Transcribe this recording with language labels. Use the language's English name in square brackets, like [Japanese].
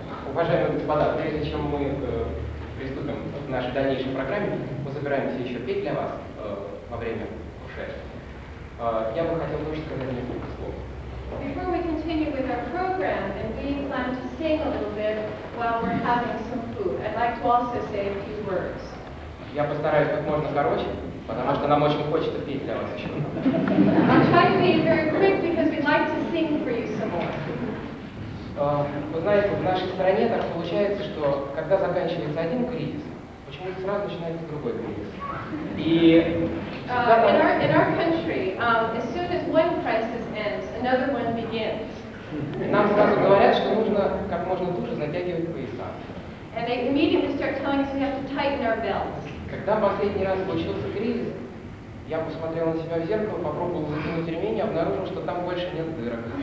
[Russian] Уважаемые господа, прежде чем мы приступим к нашей дальнейшей программе, мы собираемся еще петь для вас во время ушедшего. Я бы хотел больше сказать несколько слов. [English] Before we continue with our program, and we plan to sing a little bit while we're having some food, I'd like to also say a few words. [Russian] Я постараюсь как можно короче, потому что нам очень хочется петь для вас еще. [English] I'll try to be very quick because we'd like to sing for you some more. [Russian] Вы знаете, в нашей стране так получается, что когда заканчивается один кризис, почему-то сразу начинается другой кризис. И нам сразу говорят, что нужно как можно дольше затягивать пояса. [English] And they immediately start telling us we have to tighten our belts. [Russian] Когда последний раз случился кризис, я посмотрел на себя в зеркало, попробовал затянуть ремень и обнаружил, что там больше нет дырок.